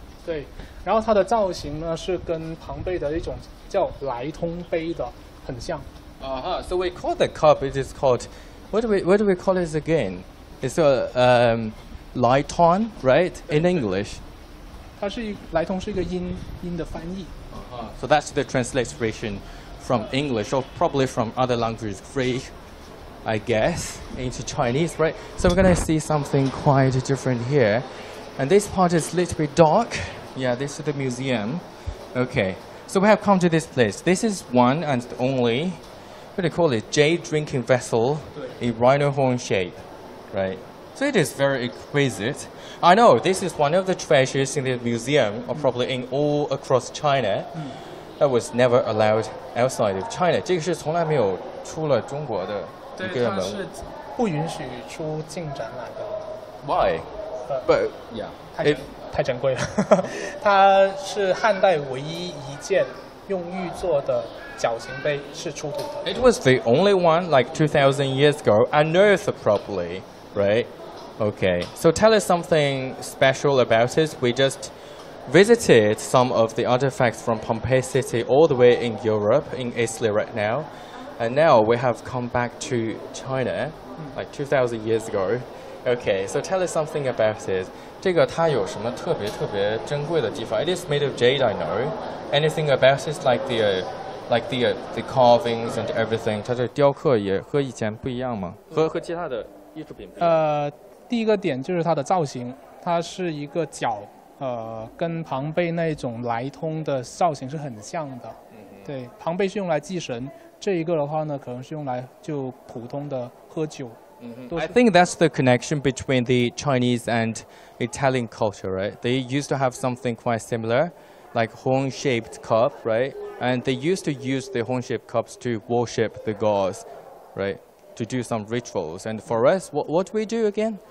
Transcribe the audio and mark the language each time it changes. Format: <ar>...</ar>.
<zh>对，然后它的造型呢是跟庞贝的一种叫莱通杯的很像。</zh> <en>So we call the cup. It is called. What do we call this again? It's a Lighton, right? In English.</en> <zh>它是莱通是一个音的翻译。</zh> <en>So that's the transliteration from English or probably from other languages, Greek, I guess, into Chinese, right? So we're gonna see something quite different here. And this part is a little bit dark. Yeah, this is the museum. Okay, so we have come to this place. This is one and only, what do you call it? Jade drinking vessel, a rhino horn shape, right? So it is very exquisite. I know this is one of the treasures in the museum, or probably in all across China, that was never allowed outside of China.</en> <zh>这个是从来没有出了中国的一个门。对，它是不允许出进展览的。</zh> <en>Why? But yeah,</en> <zh>太珍贵了。它是汉代唯一一件用玉做的绞刑碑是出土的。</zh> <en>It was the only one like 2,000 years ago unearthed properly, right? Okay. So tell us something special about it. We just visited some of the artifacts from Pompeii city all the way in Europe, in Italy right now, and now we have come back to China, like 2,000 years ago. Okay. So tell us something about it.</en> <zh>这个它有什么特别特别珍贵的地方</zh> <en>？It is made of jade, I know. Anything about it, like the carvings and everything.</en> <zh>它这雕刻也和以前不一样吗？和其他的艺术品？第一个点就是它的造型，它是一个角，跟庞贝那种来通的造型是很像的。对，庞贝是用来祭神，这一个的话呢，可能是用来就普通的喝酒。</zh> <en>I think that's the connection between the Chinese and Italian culture, right? They used to have something quite similar, like horn-shaped cup, right? And they used to use the horn-shaped cups to worship the gods, right? To do some rituals. And for us, what do we do again?</en>